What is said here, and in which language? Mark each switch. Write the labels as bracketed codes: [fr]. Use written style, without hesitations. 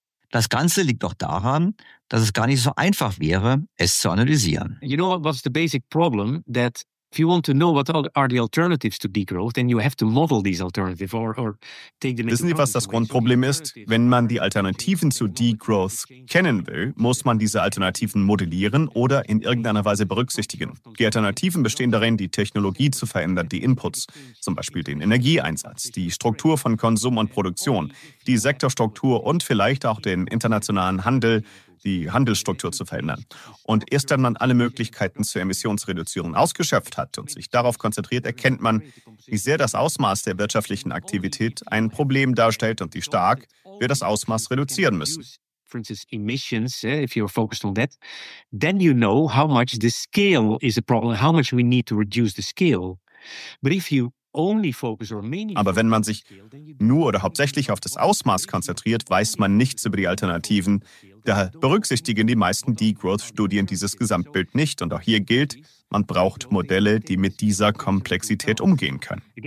[de] Das Ganze liegt doch daran, dass es gar nicht so einfach wäre, es zu analysieren. [en] You know what was the basic problem that if you want to know what are the alternatives to degrowth, then you have to model these alternatives or take them. [de] Wissen Sie, was das Grundproblem ist? Wenn man die Alternativen zu Degrowth kennen will, muss man diese Alternativen modellieren oder in irgendeiner Weise berücksichtigen. Die Alternativen bestehen darin, die Technologie zu verändern, die Inputs, zum Beispiel den Energieeinsatz, die Struktur von Konsum und Produktion, die Sektorstruktur und vielleicht auch den internationalen Handel, die Handelsstruktur zu verändern. Und erst wenn man alle Möglichkeiten zur Emissionsreduzierung ausgeschöpft hat und sich darauf konzentriert, erkennt man, wie sehr das Ausmaß der wirtschaftlichen Aktivität ein Problem darstellt und wie stark wir das Ausmaß reduzieren müssen. [en] For instance, emissions, if you're focused on that, then you know how much the scale is a problem, how much we need to reduce the scale. But if you [de] Aber wenn man sich nur oder hauptsächlich auf das Ausmaß konzentriert, weiß man nichts über die Alternativen. Daher berücksichtigen die meisten Degrowth-Studien dieses Gesamtbild nicht. Und auch hier gilt, man braucht Modelle, die mit dieser Komplexität umgehen können.